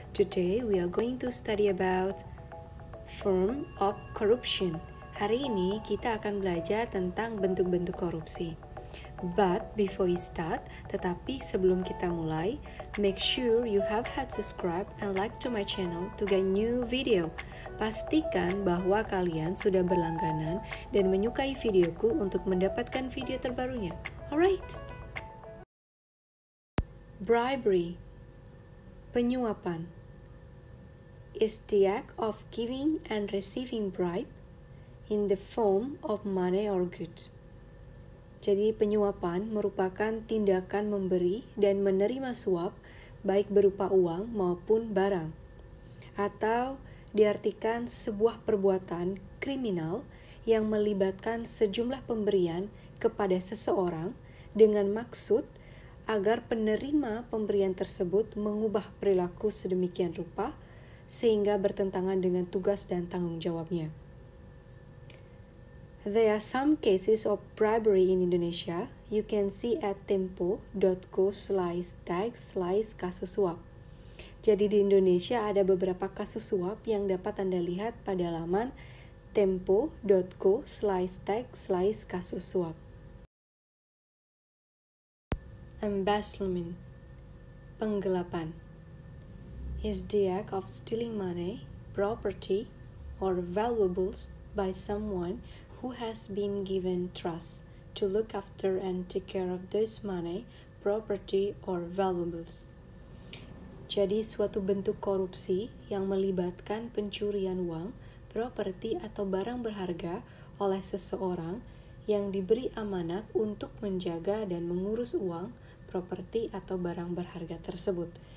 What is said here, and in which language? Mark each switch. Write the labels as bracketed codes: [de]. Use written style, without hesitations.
[en] Today we are going to study about form of corruption. [id] Hari ini kita akan belajar tentang bentuk-bentuk korupsi. [en] But before we start, [id] tetapi sebelum kita mulai, [en] make sure you have had subscribe and like to my channel to get new video. [id] Pastikan bahwa kalian sudah berlangganan dan menyukai videoku untuk mendapatkan video terbarunya. Alright. [en] Bribery, penyuapan, is the act of giving and receiving bribe in the form of money or goods. [id] Jadi penyuapan merupakan tindakan memberi dan menerima suap baik berupa uang maupun barang, atau diartikan sebuah perbuatan kriminal yang melibatkan sejumlah pemberian kepada seseorang dengan maksud agar penerima pemberian tersebut mengubah perilaku sedemikian rupa sehingga bertentangan dengan tugas dan tanggung jawabnya. [en] There are some cases of bribery in Indonesia. You can see at tempo.co/tag/kasus suap. [id] Jadi di Indonesia ada beberapa kasus suap yang dapat Anda lihat pada laman tempo.co/tag/kasus suap. [en] Embezzlement, penggelapan, is the act of stealing money, property, or valuables by someone who has been given trust to look after and take care of this money, property, or valuables. [id] Jadi suatu bentuk korupsi yang melibatkan pencurian uang, properti, atau barang berharga oleh seseorang yang diberi amanah untuk menjaga dan mengurus uang, properti, atau barang berharga tersebut.